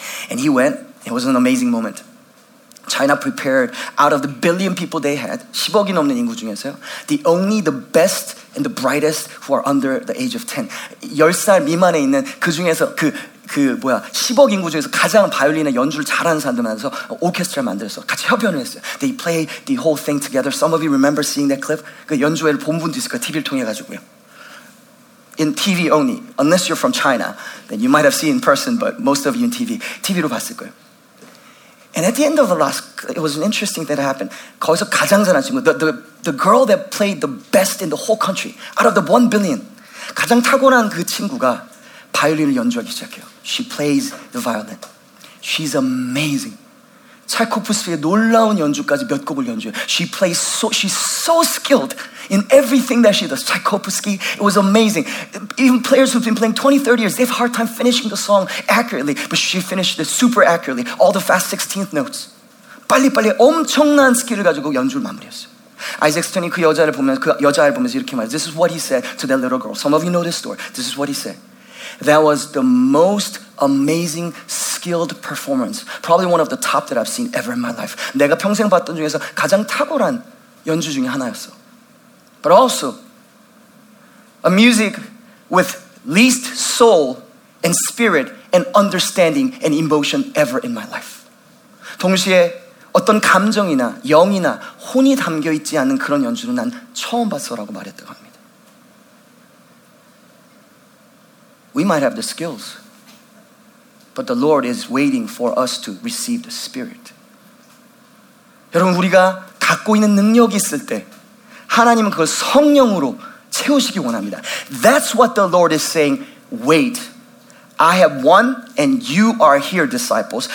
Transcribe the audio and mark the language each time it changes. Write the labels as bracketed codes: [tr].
[en] And he went. It was an amazing moment. China prepared out of the billion people they had, [ko] 10억이 넘는 인구 중에서요, [en] the only, the best, and the brightest who are under the age of 10. [ko] 10살 미만에 있는 그 중에서 그 10억 인구 중에서 가장 바이올린의 연주를 잘하는 사람들만서 오케스트라 만들어서 같이 협연을 했어요. [en] They play the whole thing together. Some of you remember seeing that clip? [ko] 그 연주회를 본 분도 있을 거예요. TV를 통해가지고요. [en] In TV only, unless you're from China, then you might have seen in person, but most of you in TV, [ko] TV로 봤을 거예요. [en] And at the end of the last, it was an interesting thing that happened. [ko] 거기서 가장 잘한 친구, [en] the girl that played the best in the whole country, out of the 1 billion, [ko] 가장 타고난 그 친구가 바이올린을 연주하기 시작해요. [en] She plays the violin. She's amazing. [ko] 차이코프스키의 놀라운 연주까지 몇 곡을 연주해요. [en] She's so skilled in everything that she does. Tchaikovsky, it was amazing. Even players who've been playing 20, 30 years, they have a hard time finishing the song accurately, but she finished it super accurately, all the fast 16th notes. [ko] 빨리빨리 엄청난 스킬을 가지고 연주를 마무리했어요. [en] Isaac Stern이 [ko] 그 여자를 보면서 이렇게 말해요. [en] This is what he said to that little girl. Some of you know this story. This is what he said. That was the most amazing, skilled performance. Probably one of the top that I've seen ever in my life. [ko] 내가 평생 봤던 중에서 가장 탁월한 연주 중에 하나였어. [en] But also, a music with least soul and spirit and understanding and emotion ever in my life. [ko] 동시에 어떤 감정이나 영이나 혼이 담겨 있지 않은 그런 연주는 난 처음 봤어라고 말했다고 합니다. [en] We might have the skills, but the Lord is waiting for us to receive the Spirit. [ko] 여러분, 우리가 갖고 있는 능력이 있을 때 하나님은 그걸 성령으로 채우시기 원합니다. [en] That's what the Lord is saying, wait. I have won and you are here, disciples.